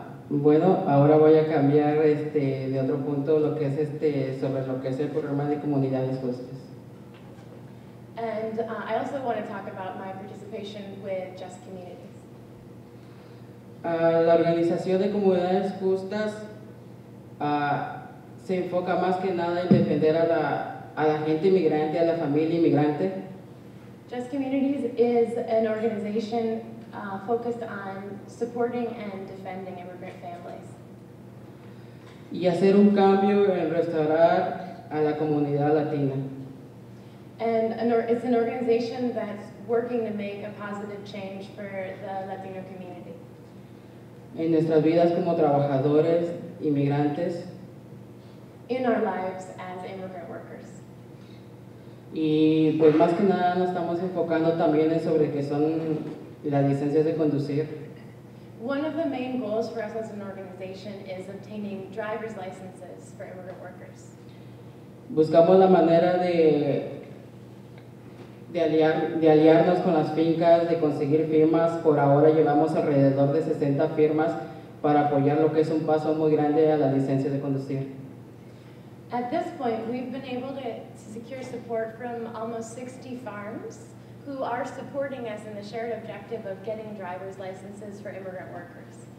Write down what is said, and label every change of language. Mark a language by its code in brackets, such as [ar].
[es] Bueno, ahora voy a cambiar de otro punto lo que es sobre lo que es el programa de Comunidades Justas. [en] And I also want to talk about my participation with Just Communities. [es] La organización de Comunidades Justas se enfoca más que nada en defender a la gente inmigrante, a la familia inmigrante. [en] Just Communities is an organization focused on supporting and defending immigrant families. [es] Y hacer un cambio en restaurar a la comunidad latina. [en] And it's an organization that's working to make a positive change for the Latino community. [es] En nuestras vidas como trabajadores inmigrantes. [en] In our lives as immigrant workers. [es] Y pues más que nada nos estamos enfocando también en sobre qué son las licencias de conducir. [en] One of the main goals for us as an organization is obtaining driver's licenses for immigrant workers. [es] Buscamos la manera de aliarnos con las fincas, de conseguir firmas. Por ahora llevamos alrededor de 60 firmas para apoyar lo que es un paso muy grande a la licencia de conducir. [en] At this point, we've been able to secure support from almost 60 farms who are supporting us in the shared objective of getting driver's licenses for immigrant workers.